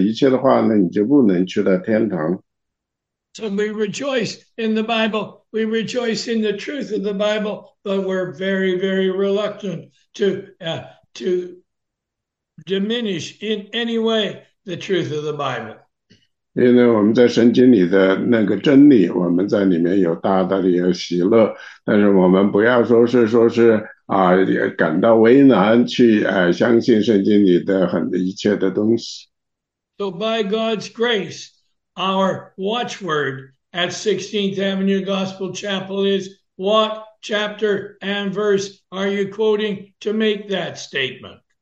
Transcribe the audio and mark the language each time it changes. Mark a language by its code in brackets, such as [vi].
[zh] 所以这个里面呢，就是说是这样的，就是说是非常严重的这样的东西呢，它是一种亵渎，是一种错误。就是说呢，如果说呢，你不能相信神说的一切的话呢，你就不能去到天堂。 [en] So we rejoice in the Bible, we rejoice in the truth of the Bible, but we're very, very reluctant to diminish in any way the truth of the Bible. [zh] 因为我们在圣经里的那个真理，我们在里面有大大的有喜乐，但是我们不要说是说是感到为难去相信圣经里的很一切的东西。 [en] So by God's grace, our watchword at 16th Avenue Gospel Chapel is, what chapter and verse are you quoting to make that statement?